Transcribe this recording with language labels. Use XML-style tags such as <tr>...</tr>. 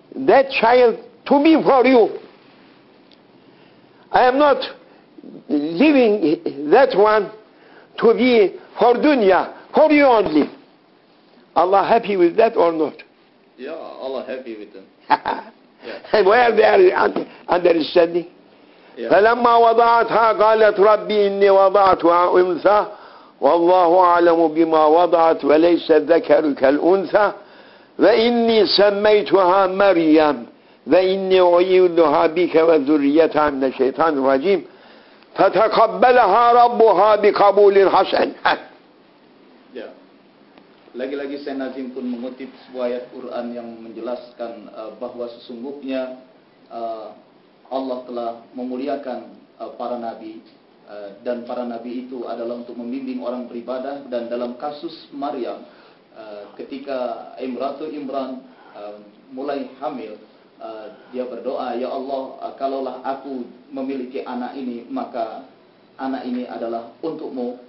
<en>that child to me for you. I am not leaving that one to be for dunya, for you only. Allah happy with that or not? Yeah, Allah happy with them. And where they are understanding?</en> <ar>فلما وضعتها قالت ربي إني وضعتها أنثى والله أعلم بما وضعت وليس الذكر كالأنثى وإني سميتها مريم وإني أعوذ بك وذريتها من الشيطان الرجيم فتقبلها ربها بقبول حسن.</ar> <id>Lagi-lagi Sayyidina Nazim pun mengutip sebuah ayat Quran yang menjelaskan bahwa sesungguhnya Allah telah memuliakan para nabi, dan para nabi itu adalah untuk membimbing orang beribadah. Dan dalam kasus Maryam, ketika Imratu Imran mulai hamil, dia berdoa, "Ya Allah, kalaulah aku memiliki anak ini, maka anak ini adalah untukmu."</id>